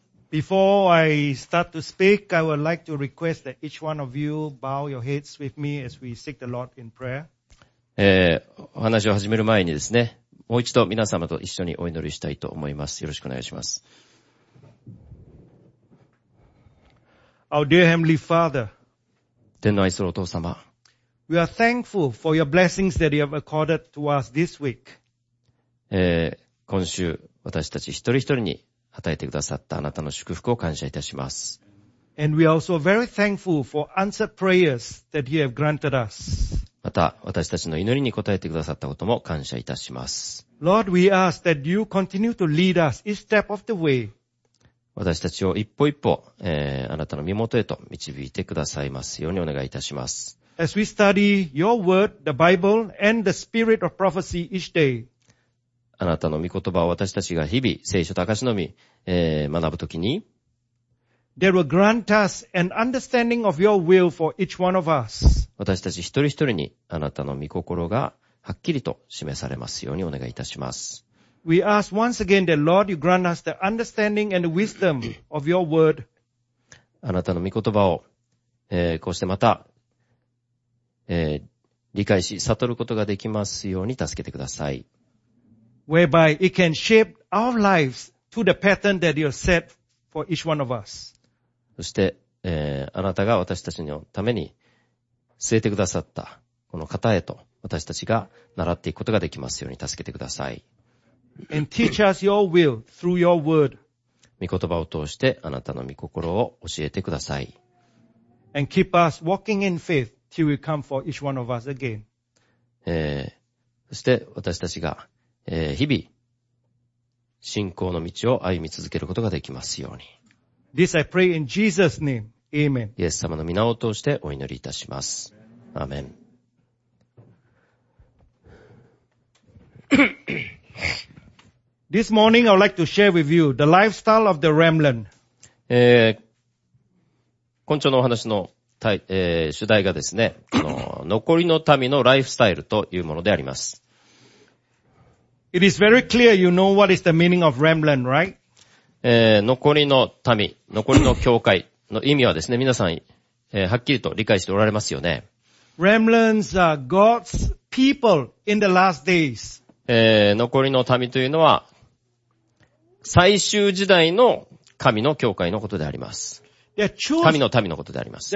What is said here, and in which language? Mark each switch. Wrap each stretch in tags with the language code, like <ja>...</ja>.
<en>Before I start to speak, I would like to request that each one of you bow your heads with me as we seek the Lord in prayer.</en> <ja>お話を始める前にですね、もう一度皆様と一緒にお祈りしたいと思います。よろしくお願いします。</ja> <en>Our dear Heavenly Father,</en> <ja>天の愛するお父様、</ja> <en>We are thankful for your blessings that you have accorded to us this week.</en> <ja>今週、私たち一人一人に与えてくださったあなたの祝福を感謝いたします。</ja> <en>And we are also very thankful for answered prayers that you have granted us.</en> <ja>また私たちの祈りに応えてくださったことも感謝いたします。</ja> <en>Lord, we ask that you continue to lead us each step of the way.</en> <ja>私たちを一歩一歩、あなたの身元へと導いてくださいますようにお願いいたします。</ja> <en>As we study your word, the Bible, and the spirit of prophecy each day.</en> <ja>あなたの御言葉を私たちが日々聖書と証のみ、学ぶときに、</ja> <en>They will grant us an understanding of your will for each one of us.</en> <ja>私たち一人一人にあなたの御心がはっきりと示されますようにお願いいたします。</ja> <en>We ask once again that Lord, you grant us the understanding and the wisdom of your word.</en> <ja>あなたの御言葉を、こうしてまた、理解し悟ることができますように助けてください。</ja> <en>Whereby it can shape our lives to the pattern that you set for each one of us.</en> <ja>そして、あなたが私たちのために据えてくださったこの型へと私たちが習っていくことができますように助けてください。</ja> <en>And teach us your will through your word.</en> <ja>御言葉を通してあなたの御心を教えてください。</ja> <en>And keep us walking in faith till we come for each one of us again.</en> <ja>そして私たちが日々信仰の道を歩み続けることができますように。</ja> <en>This I pray in Jesus' name. Amen.</en> <ja>イエス様の御名を通してお祈りいたします。アーメン。</ja> <en>This morning I would like to share with you the lifestyle of the remnant.</en> <ja>今朝のお話の主題がですね、この残りの民のライフスタイルというものであります。</ja> <en>It is very clear you know what is the meaning of remnant, right?</en> <ja>残りの民、残りの教会の意味はですね、皆さん、はっきりと理解しておられますよね。</ja> <en>Remnants are God's people in the last days.</en> <ja>残りの民というのは最終時代の神の教会のことであります。神の民のことであります。</ja>